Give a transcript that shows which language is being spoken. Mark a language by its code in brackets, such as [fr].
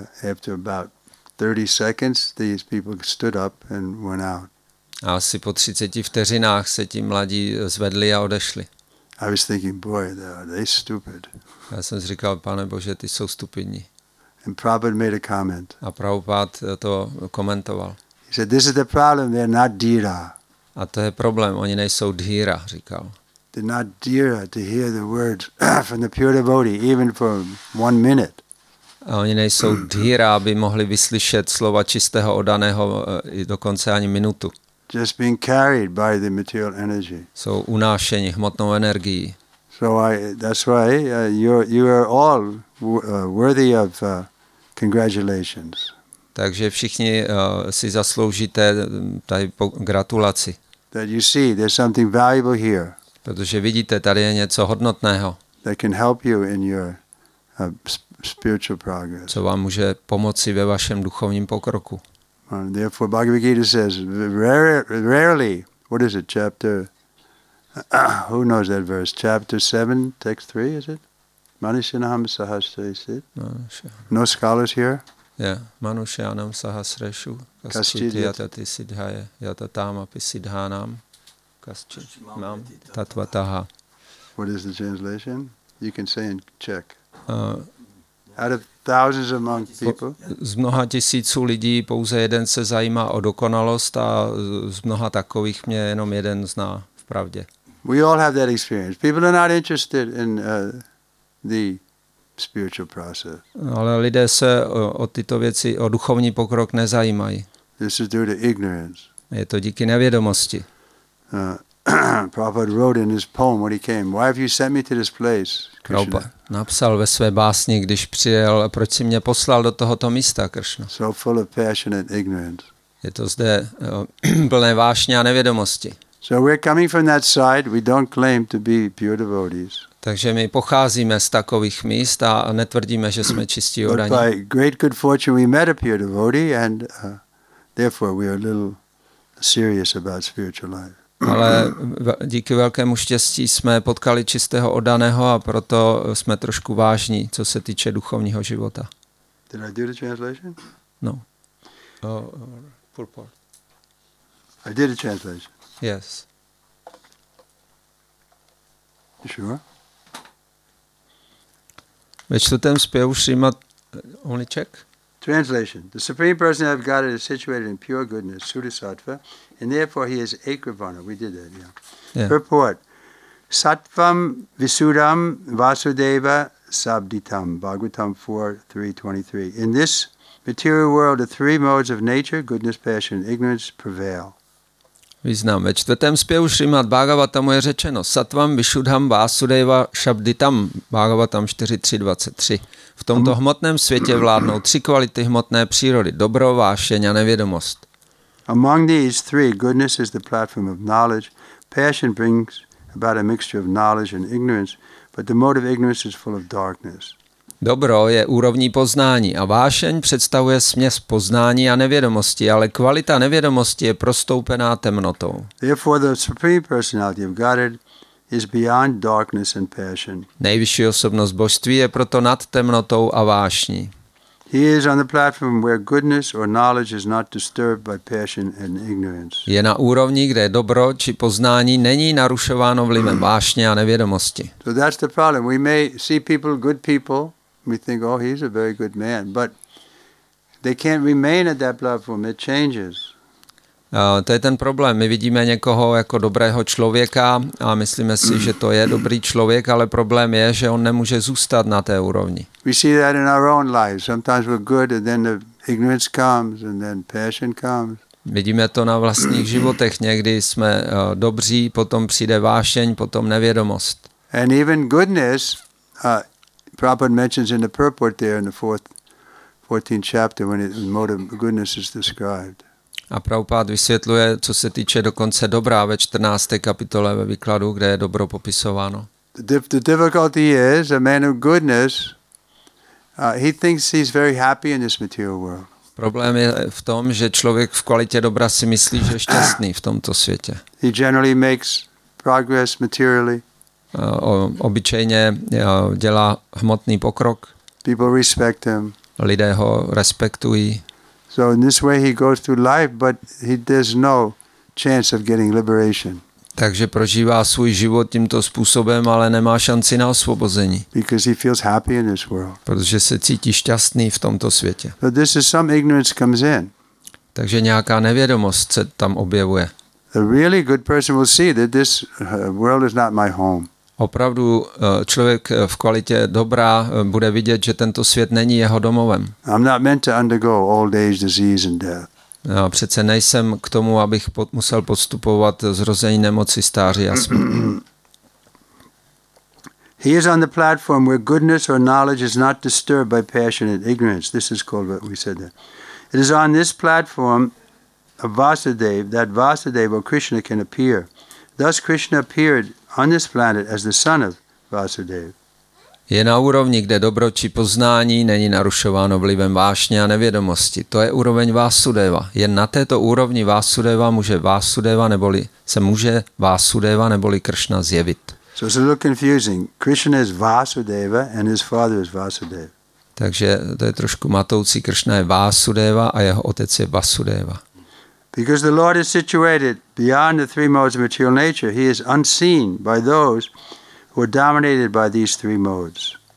[en] After about 30 seconds, these people stood up and went out. [cs] A asi po 30 vteřinách se ti mladí zvedli a odešli. [en] I was thinking, boy, they stupid. [cs] Já jsem si říkal, pane bože, ty jsou stupidní. [en] And Prabhupada made a comment. [cs] A Prabhupada to komentoval. [en] He said, this is the problem, they're not dhira. [cs] A to je problém, oni nejsou dhíra, říkal. [en] They're not dhíra to hear the words from the pure devotee, even for one minute. [cs] A oni nejsou dhíra, aby mohli vyslyšet slova čistého odaného i dokonce ani minutu. [en] Just being carried by the material energy. [cs] Jsou unášeni hmotnou energií. [en] So that's why you are all worthy of congratulations. [cs] Takže všichni si zasloužíte tady gratulaci. [en] That you see, there's something valuable here. [cs] Protože vidíte, tady je něco hodnotného. [en] That can help you in your spiritual progress. [cs] Co vám může pomoci ve vašem duchovním pokroku. [en] Therefore, Bhagavad Gita says, rarely, what is it, chapter, who knows that verse, chapter 7, text 3, is it? [sa] Manushyanam Sahasrashu. [en] No scholars here? [sa] Yeah, Manushyanam Sahasrashu. Kaschid yatati siddhaya yatatam api siddhanam kaschid mam tatvataha. [en] What is the translation? You can say in Czech. Out of thousands among people. [cs] Z mnoha tisíců lidí pouze jeden se zajímá o dokonalost a z mnoha takových mě jenom jeden zná v pravdě. [en] We all have that experience. People are not interested in the spiritual process. [cs] Ale lidé se o tyto věci, o duchovní pokrok nezajímají. [en] This is due to ignorance. [cs] Je to díky nevědomosti. [en] Prabhupada wrote in his poem when he came, "Why have you sent me to this place?" [cs] Krishna napsal ve své básni, když přijel, proč si mě poslal do tohoto místa, Krishna. [en] So full of passionate ignorance. [cs] Je to zde plné vášně a nevědomosti. [en] So we're coming from that side. We don't claim to be pure devotees. [cs] Takže my pocházíme z takových míst a netvrdíme, že jsme čistí odaní. [en] But by great good fortune, we met a pure devotee, and therefore we are a little serious about spiritual life. [cs] Ale díky velkému štěstí jsme potkali čistého oddaného a proto jsme trošku vážní, co se týče duchovního života. [en] Did I do the translation? No. I did a translation. Yes. You sure? [cs] Ve čtvrtém zpěvu Šrimad, [en] only check? Translation. The Supreme Person of God is situated in pure goodness, Sudhisattva, and therefore he is Ekravana. We did that, yeah. Purport. [sa] Sattvam Visuddham Vasudeva Sabditam. [en] Bhagavatam 4.3.23. In this material world, the three modes of nature, goodness, passion, ignorance, prevail. [cs] Význam. Ve čtvrtém zpěvu Šrimad Bhagavatam je řečeno [sa] Sattvam Visuddham Vasudeva Sabditam. [cs] Bhagavatam 4.3.23. V tomto hmotném světě vládnou tři kvality hmotné přírody: dobro, vášeň a nevědomost. [en] Among these three, goodness is the platform of knowledge. Passion brings about a mixture of knowledge and ignorance, but the mode of ignorance is full of darkness. [cs] Dobro je úrovní poznání a vášeň představuje směs poznání a nevědomosti, ale kvalita nevědomosti je prostoupená temnotou. [en] Therefore, the Supreme Personality of Godhead is beyond darkness and passion. [cs] Nejvyšší osobnost božství je proto nad temnotou a vášní. [en] He is on the platform where goodness or knowledge is not disturbed by passion and ignorance. [cs] Je na úrovni, kde dobro či poznání není narušováno vlivem vášně a nevědomosti. [en] So that's the problem. We may see people, good people, we think, oh, he's a very good man, but they can't remain at that platform. It changes. [cs] To je ten problém. My vidíme někoho jako dobrého člověka a myslíme si, že to je dobrý člověk, ale problém je, že on nemůže zůstat na té úrovni. [en] We see that in our own lives. Sometimes we're good and then the ignorance comes and then passion comes. [cs] Vidíme to na vlastních životech. Někdy jsme dobří, potom přijde vášeň, potom nevědomost. [en] And even goodness, Prabhupada mentions in the purport there in the 14th chapter when the mode of goodness is described. [cs] A Prabhupád vysvětluje, co se týče dokonce dobra ve 14. kapitole ve výkladu, kde je dobro popisováno. [en] The difficulty is a man of goodness, he thinks he's very happy in this material world. [cs] Problém je v tom, že člověk v kvalitě dobra si myslí, že je šťastný v tomto světě. [en] He generally makes progress materially. [cs] Obyčejně dělá hmotný pokrok. [en] People respect him. [cs] Lidé ho respektují. [en] So in this way he goes through life, but he there's no chance of getting liberation. [cs] Takže prožívá svůj život tímto způsobem, ale nemá šanci na osvobození. [en] Because he feels happy in this world. [cs] Protože se cítí šťastný v tomto světě. [en] So this is some ignorance comes in. [cs] Takže nějaká nevědomost se tam objevuje. [en] A really good person will see that this world is not my home. [cs] Opravdu člověk v kvalitě dobrá bude vidět, že tento svět není jeho domovem. [en] I'm not meant to undergo old age, disease and death. [cs] Já přece nejsem k tomu, abych musel podstupovat zrození, nemoci, stáří a smrti. [en] He is on the platform where goodness or knowledge is not disturbed by passion and ignorance. This is called what we said there. It is on this platform of Vasudeva that Vasudeva or Krishna can appear. Thus Krishna appeared on this planet as the son of Vasudeva. [cs] Je na úrovni, kde dobro či poznání není narušováno vlivem vášně a nevědomosti. To je úroveň Vasudeva. Jen na této úrovni Vasudeva může Vasudeva neboli se může Vasudeva neboli Krishna zjevit. [en] So it's a little confusing. Krishna is Vasudeva and his father is Vasudeva. [cs] Takže to je trošku matoucí. Krishna je Vasudeva a jeho otec je Vasudeva. [en] Because the Lord is situated beyond the three modes of material nature, he is unseen by those who are dominated by these three modes.